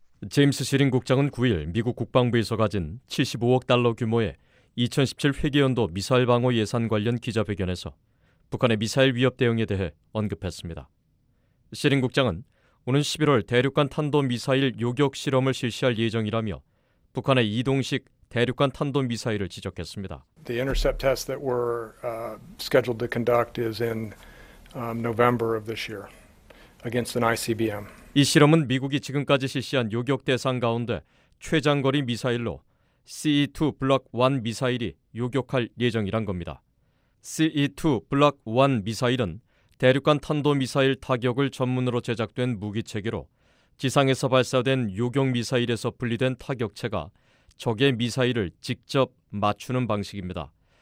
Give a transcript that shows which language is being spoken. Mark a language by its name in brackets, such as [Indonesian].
[Korean] 제임스 시링 국장은 9일 미국 국방부에서 가진 75억 달러 규모의 2017 회계연도 미사일 방어 예산 관련 기자회견에서 북한의 미사일 위협 대응에 대해 언급했습니다. 시링 국장은 오는 11월 대륙간 탄도 미사일 요격 실험을 실시할 예정이라며 북한의 이동식 대륙간 탄도 미사일을 지적했습니다. [English] The intercept test that we're scheduled to conduct is in November of this year against an ICBM. [Korean] 이 실험은 미국이 지금까지 실시한 요격 대상 가운데 최장거리 미사일로 CE-2 블록 1 미사일이 요격할 예정이란 겁니다. CE-2 블록 1 미사일은 대륙간 탄도 미사일 타격을 전문으로 제작된 무기 체계로 지상에서 발사된 요격 미사일에서 분리된 타격체가 적의 미사일을 직접 맞추는 방식입니다.